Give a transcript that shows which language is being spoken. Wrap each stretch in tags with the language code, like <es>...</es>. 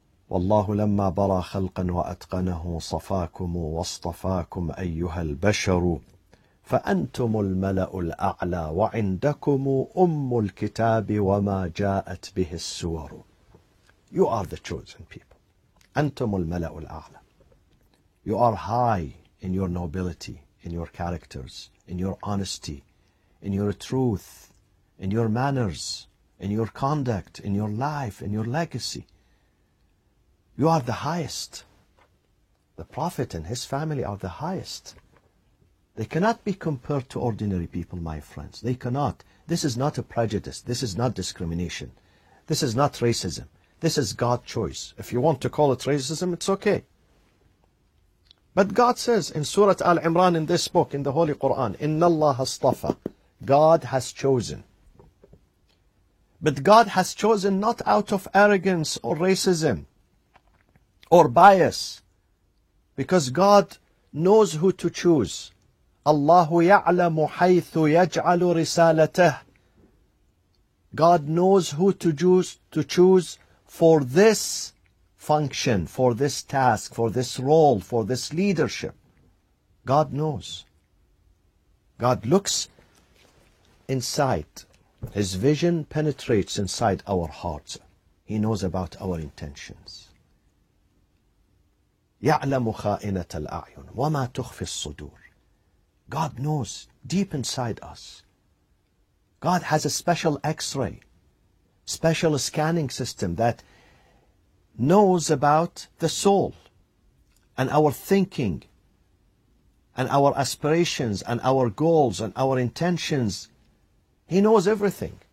<ar>والله لما برا خلقا وأتقنه صفاكم واصطفاكم أيها البشر فأنتم الملأ الأعلى وعندكم أم الكتاب وما جاءت به السور.</ar> <en>You are the chosen people.</en> <ar>أنتم الملأ الأعلى.</ar> <en>You are high in your nobility, in your characters, in your honesty, in your truth, in your manners, in your conduct, in your life, in your legacy. You are the highest. The Prophet and his family are the highest. They cannot be compared to ordinary people, my friends. They cannot. This is not a prejudice. This is not discrimination. This is not racism. This is God's choice. If you want to call it racism, it's okay. But God says in Surah Al-Imran, in this book, in the Holy Quran,</en> <ar>إِنَّ اللَّهَ اصْطَفَى.</ar> <en>God has chosen. But God has chosen not out of arrogance or racism or bias, because God knows who to choose.</en> <ar>الله يعلم حيث يجعل رسالته.</ar> <en>God knows who to choose for this function, for this task, for this role, for this leadership. God knows. God looks inside. His vision penetrates inside our hearts. He knows about our intentions.</en> <ar>يعلم خائنة الأعين وما تخفي الصدور.</ar> <en>God knows deep inside us. God has a special x-ray, special scanning system that knows about the soul and our thinking and our aspirations and our goals and our intentions. He knows everything.</en>